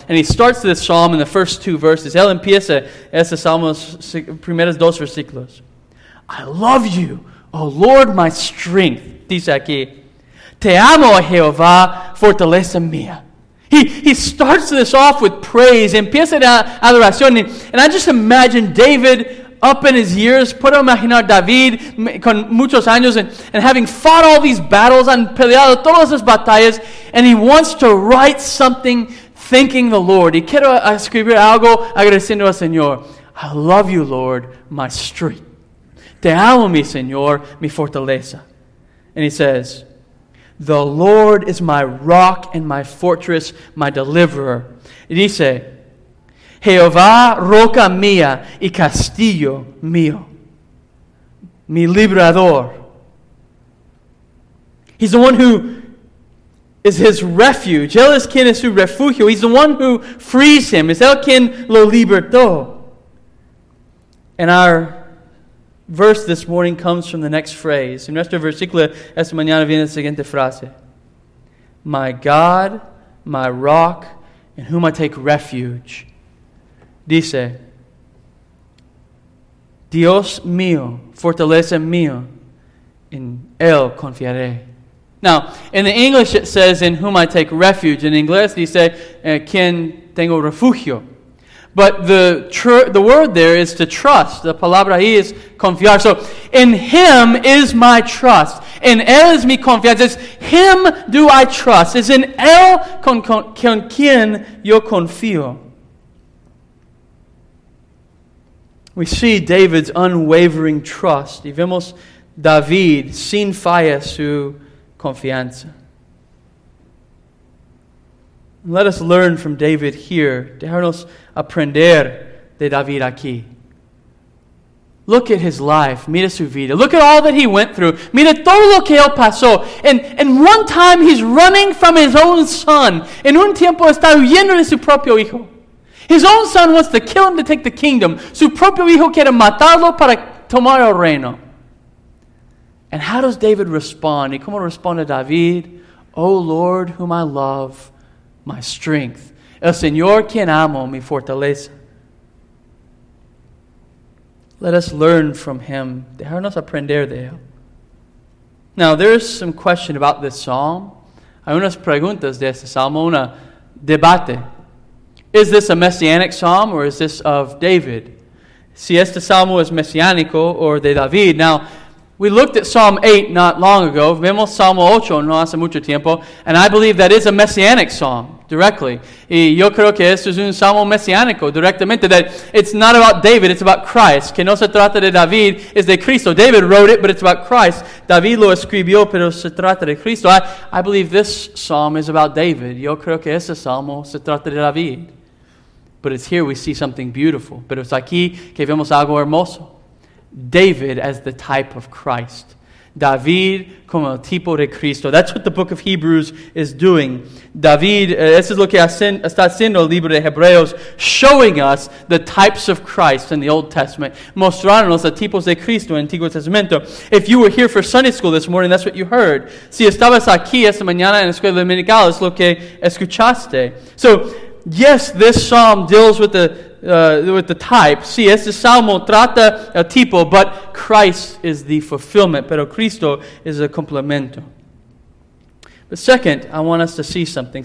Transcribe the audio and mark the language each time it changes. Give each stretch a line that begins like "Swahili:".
English: And he starts this psalm in the first two verses.
Spanish: Él empieza este salmo, primeros dos versículos.
English: I love you, O Lord, my strength.
Spanish: Dice aquí, te amo, Jehová, fortaleza mía.
English: He starts this off with praise.
Spanish: Empieza la adoración.
English: And I just imagine David up in his years.
Spanish: Puedo imaginar David con muchos años
English: and having fought all these battles and
Spanish: peleado todas las batallas.
English: And he wants to write something thanking the Lord.
Spanish: Y quiero escribir algo agradeciendo al Señor.
English: I love you, Lord, my strength.
Spanish: Te amo, mi Señor, mi fortaleza.
English: And he says, the Lord is my rock and my fortress, my deliverer.
Spanish: Y dice, Jehová, roca mía y castillo mío. Mi librador.
English: He's the one who is his refuge.
Spanish: Él es quien es su refugio.
English: He's the one who frees him.
Spanish: Es él quien lo libertó.
English: And our verse this morning comes from the next phrase.
Spanish: En nuestro versículo, esta mañana viene la siguiente frase.
English: My God, my rock, in whom I take refuge.
Spanish: Dice, Dios mío, fortaleza mío, en él confiaré.
English: Now, in the English it says, in whom I take refuge. In English,
Spanish: dice, quien tengo refugio.
English: But the word there is to trust. The
Spanish: palabra ahí
English: is confiar. So, in him is my trust. In
Spanish: él es mi confianza.
English: It's him do I trust.
Spanish: It's in él con quien yo confío.
English: We see David's unwavering trust.
Spanish: Y vemos David sin falla su confianza.
English: Let us learn from David here.
Spanish: Déjanos aprender de David aquí.
English: Look at his life.
Spanish: Mira su vida.
English: Look at all that he went through.
Spanish: Mira todo lo que él pasó.
English: And one time he's running from his own son.
Spanish: En un tiempo está huyendo de su propio hijo.
English: His own son wants to kill him to take the kingdom.
Spanish: Su propio hijo quiere matarlo para tomar el reino.
English: And how does David respond?
Spanish: ¿Y cómo responde David?
English: Oh Lord, whom I love, my strength.
Spanish: El Señor quien amo, mi fortaleza.
English: Let us learn from him.
Spanish: Dejarnos aprender de él.
English: Now, there's some question about this psalm.
Spanish: Hay unas preguntas de este salmo, un debate.
English: Is this a messianic psalm or is this of David?
Spanish: Si este salmo es mesiánico or de David.
English: Now, we looked at Psalm 8 not long ago.
Spanish: Vemos Salmo 8 no hace mucho tiempo.
English: And I believe that is a messianic psalm directly.
Spanish: Y yo creo que esto es un salmo mesiánico directamente.
English: That it's not about David, it's about Christ.
Spanish: Que no se trata de David, es de Cristo.
English: David wrote it, but it's about Christ.
Spanish: David lo escribió, pero se trata de Cristo.
English: I believe this psalm is about David.
Spanish: Yo creo que este salmo se trata de David.
English: But it's here we see something beautiful.
Spanish: Pero es aquí que vemos algo hermoso.
English: David as the type of Christ.
Spanish: David como el tipo de Cristo.
English: That's what the book of Hebrews is doing.
Spanish: David, eso es lo que está haciendo el libro de Hebreos,
English: showing us the types of Christ in the Old Testament.
Spanish: Mostrándonos los tipos de Cristo en el Antiguo Testamento.
English: If you were here for Sunday school this morning, that's what you heard.
Spanish: Si estabas aquí esta mañana en la escuela dominical, es lo que escuchaste.
English: So, yes, this psalm deals with the type.
Spanish: Sí, este salmo trata el tipo,
English: but Christ is the fulfillment.
Spanish: Pero Cristo es el complemento.
English: But second, I want us to see something.